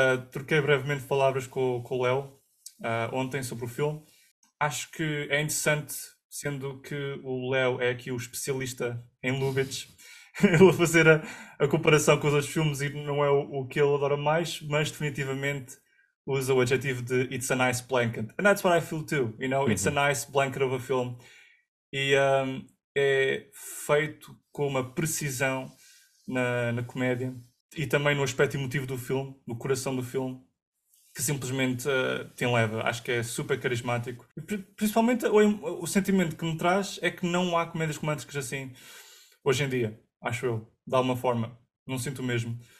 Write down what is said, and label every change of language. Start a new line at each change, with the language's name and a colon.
Portuguese: Troquei brevemente palavras com o Léo ontem sobre o filme. Acho que é interessante, sendo que o Léo é aqui o especialista em Lubitsch, ele a fazer a comparação com os outros filmes e não é o que ele adora mais, mas definitivamente usa o adjetivo de
English: it's a nice blanket. And that's what I feel too, you know, it's a nice blanket of a film.
Portuguese: E é feito com uma precisão na comédia e também no aspecto emotivo do filme, no coração do filme, que simplesmente te leva. Acho que é super carismático. E principalmente o sentimento que me traz é que não há comédias românticas assim hoje em dia, acho eu, de alguma forma. Não sinto mesmo.